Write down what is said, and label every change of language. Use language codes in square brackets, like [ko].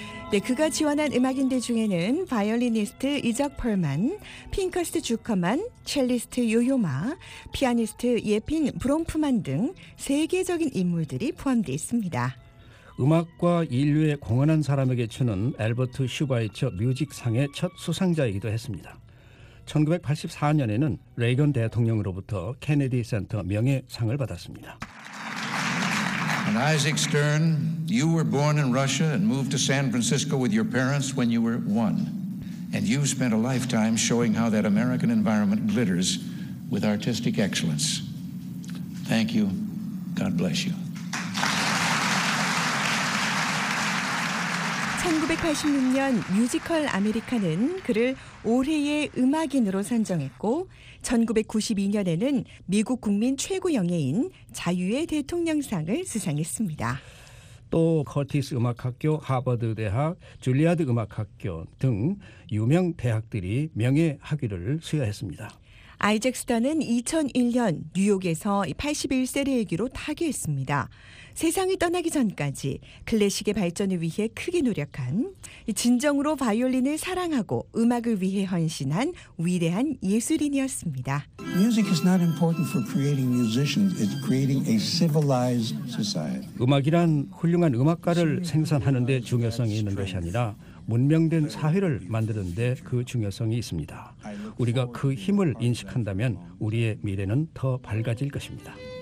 [ko] 네, 그가 지원한 음악인들 중에는 바이올리니스트 이작 펄만, 핑커스트 주커만, 첼리스트 요요마, 피아니스트 예핀 브롬프만 등 세계적인 인물들이 포함되어 있습니다. 음악과 인류에 공헌한 사람에게 주는 엘버트 슈바이처 뮤직상의 첫 수상자이기도 했습니다. 1984년에는 레이건 대통령으로부터 케네디 센터 명예상을 받았습니다. [en] And Isaac Stern, you were born in Russia and moved to San Francisco with your parents when you were one. And you spent a lifetime showing how that American environment glitters with artistic excellence. Thank you. God bless you. [ko] 1986년 뮤지컬 아메리카는 그를 올해의 음악인으로 선정했고 1992년에는 미국 국민 최고 영예인 자유의 대통령상을 수상했습니다. 또 커티스 음악학교, 하버드 대학, 줄리아드 음악학교 등 유명 대학들이 명예 학위를 수여했습니다. 아이젝스턴은 2001년 뉴욕에서 81세를 일기로 타계했습니다. 세상을 떠나기 전까지 클래식의 발전을 위해 크게 노력한 진정으로 바이올린을 사랑하고 음악을 위해 헌신한 위대한 예술인이었습니다. [en] Music is not important for creating musicians. It's creating a civilized society. [ko] 음악이란 훌륭한 음악가를 생산하는 데 중요성이 있는 것이 아니라 문명된 사회를 만드는 데 그 중요성이 있습니다. 우리가 그 힘을 인식한다면 우리의 미래는 더 밝아질 것입니다.